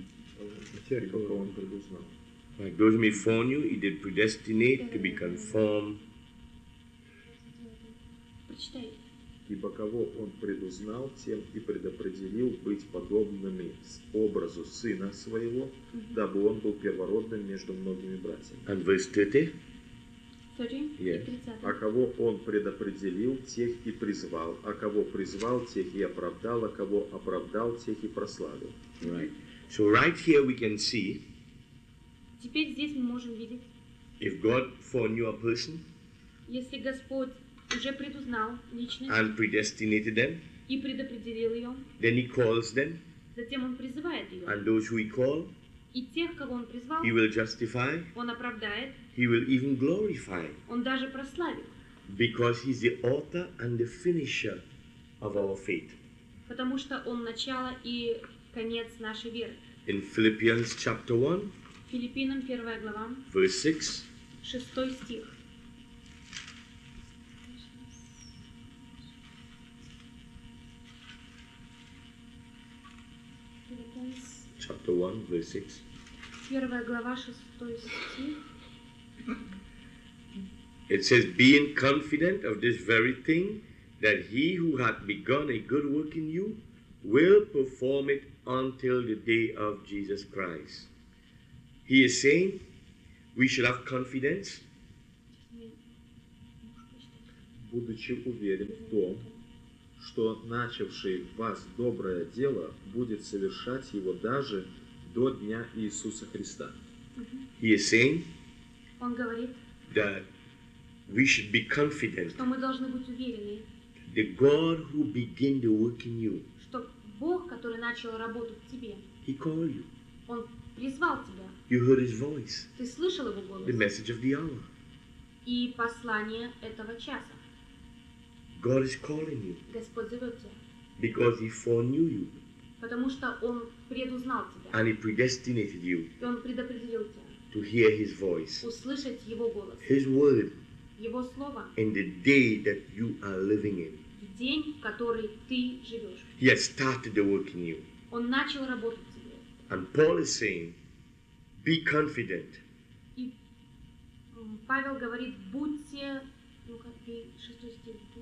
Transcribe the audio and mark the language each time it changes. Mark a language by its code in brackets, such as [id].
[ru] 29 стих. Тот, кто вас, наверное. [en] Like those who He foreknew, He did predestinate to be conformed [ru] Ибо кого он предузнал, тем и предопределил быть подобными образу сына своего, дабы он был первородным между многими братьями. [en] And verse 30. Yes. [ru] А кого он предопределил, тех и призвал. А кого призвал, тех и оправдал. А кого оправдал, тех и прославил. [en] Right. So right here we can see. [ru] Теперь здесь мы можем видеть. [en] If God foreknew a person. [ru] Если Господь уже предузнал личность. [en] And predestinated them. [ru] И предопределил ее. [en] Then he calls them. [ru] Затем он призывает ее. [en] And those who he call. [ru] И тех, кого он призвал. [en] He will justify. [ru] Он оправдает. [en] He will even glorify. [ru] Он даже прославит. [en] Because he's the author and the finisher of our faith. [ru] Потому что он начало и конец нашей веры. [en] In Philippians chapter 1. [ru] Филиппинам 1 глава. [en] Verse 6. [ru] 6 стих. [en] Chapter 1, verse 6. [ru] Первая глава, шестой стих. [en] It says, being confident of this very thing, that he who hath begun a good work in you will perform it until the day of Jesus Christ. He is saying, we should have confidence. [ru] Будучи уверен в том, что начавший в вас доброе дело будет совершать его даже до дня Иисуса Христа. [en] He is saying, [ru] он говорит, [en] that we should be confident, [ru] что мы должны быть уверены, [en] the God who began the work in you, [ru] что Бог, который начал работу в тебе, [en] he called you. [ru] Он призвал тебя. [en] You heard his voice. [ru] Ты слышал его голос. [en] The message of the hour. [ru] И послание этого часа. [en] God is calling you. [ru] Господь зовет тебя. [en] Because he foreknew you. [ru] Потому что он предузнал тебя. [en] And he predestinated you. [ru] И он предопределил тебя. [en] To hear his voice. [ru] Услышать его голос. [en] His word. [ru] Его слово. [en] In the day that you are living in. [ru] В день, в который ты живешь. [en] He has started the work in you. [ru] Он начал работать в тебе. [en] And Paul is saying, be confident. [ru] И Павел говорит, будьте, ну-ка, и шестой стих.